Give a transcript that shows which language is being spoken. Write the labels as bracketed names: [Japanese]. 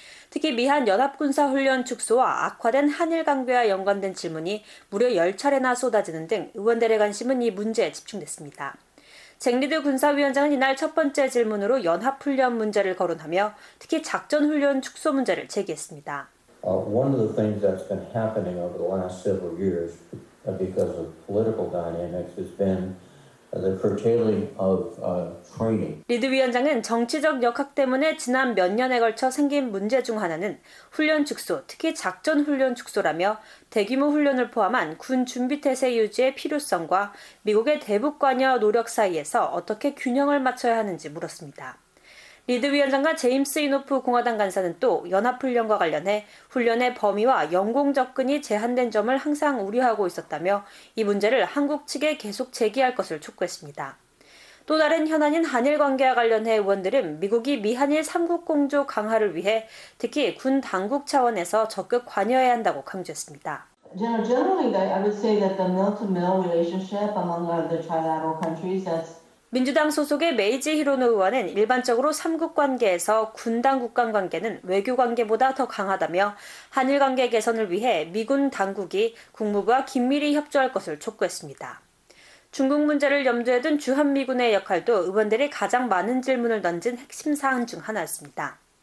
[Korean] 특히 미한 연합군사훈련 축소와 악화된 한일 관계와 연관된 질문이 무려 10차례나 쏟아지는 등 의원들의 관심은 이 문제에 집중됐습니다. 잭리드 군사위원장은 이날 첫 번째 질문으로 연합훈련 문제를 거론하며 특히 작전훈련 축소 문제를 제기했습니다. [English] One of the things that's been happening over the last several years because of political dynamics has been the curtailing of training. [Korean] 리드 위원장은 정치적 역학 때문에 지난 몇 년에 걸쳐 생긴 문제 중 하나는 훈련 축소, 특히 작전 훈련 축소라며 대규모 훈련을 포함한 군 준비태세 유지의 필요성과 미국의 대북 관여 노력 사이에서 어떻게 균형을 맞춰야 하는지 물었습니다. 리드 위원장과 제임스 이노프 공화당 간사는 또 연합훈련과 관련해 훈련의 범위와 영공 접근이 제한된 점을 항상 우려하고 있었다며 이 문제를 한국 측에 계속 제기할 것을 촉구했습니다. 또 다른 현안인 한일 관계와 관련해 의원들은 미국이 미한일 3국 공조 강화를 위해 특히 군 당국 차원에서 적극 관여해야 한다고 강조했습니다. [English] Generally, I would say that the mill-to-mill relationship among the trilateral countries that's [Korean] 민주당 소속의 메이지 히로노 의원은 일반적으로 3국 관계에서 군당 국간 관계는 외교 관계보다 더 강하다며 한일 관계 개선을 위해 미군 당국이 국무부와 긴밀히 협조할 것을 촉구했습니다. 중국 문제를 염두에 둔 주한미군의 역할도 의원들이 가장 많은 질문을 던진 핵심 사안 중 하나였습니다.